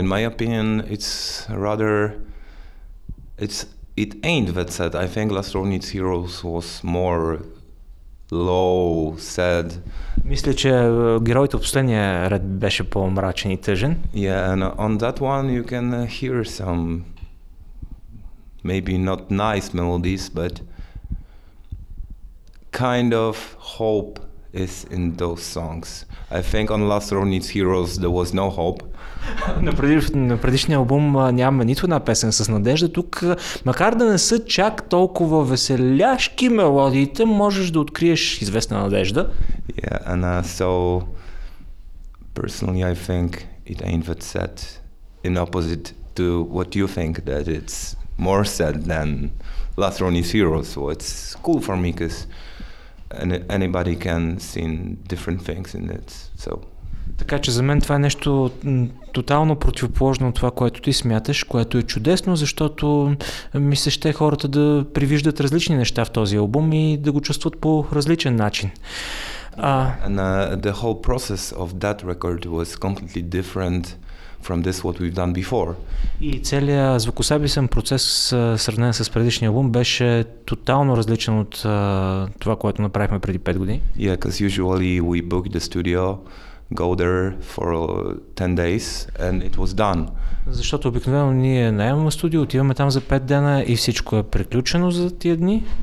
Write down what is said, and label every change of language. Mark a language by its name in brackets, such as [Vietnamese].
[English] In my opinion, it's rather, it ain't that sad. I think Last Row Needs Heroes was more low, sad. [Bulgarian] Мисля, че героите от последния ред беше по-мрачен и тъжен. [English] Yeah, and on that one you can hear some maybe not nice melodies, but kind of hope is in those songs. I think on Last Row Needs Heroes there was no hope. [Bulgarian] На предишния албум няма нито една песен с надежда. Тук, макар да не са чак толкова веселяшки мелодиите, можеш да откриеш известна надежда. [English] Yeah, and so personally I think it ain't that sad, in opposite to what you think, that it's more sad than Last Row Needs Heroes. So it's cool for me, because anybody can see different things in it. So. [Bulgarian] Така че за мен това е нещо тотално противоположно от това, което ти смяташ, което е чудесно, защото ми се ще хората да привиждат различни неща в този албум и да го чувстват по различен начин. [English] The whole process of that record was completely different from this what we've done before. [Bulgarian] И целият звукосъбисен процес сравнен с предишния албум беше тотално различен от това, което направихме преди 5 години. [English] Yeah, because usually we book the studio, go there for 10 days and it was done. [Bulgarian] Защото обикновено ние наемаме студио, отиваме там за 5 дена и всичко е приключено за тия дни.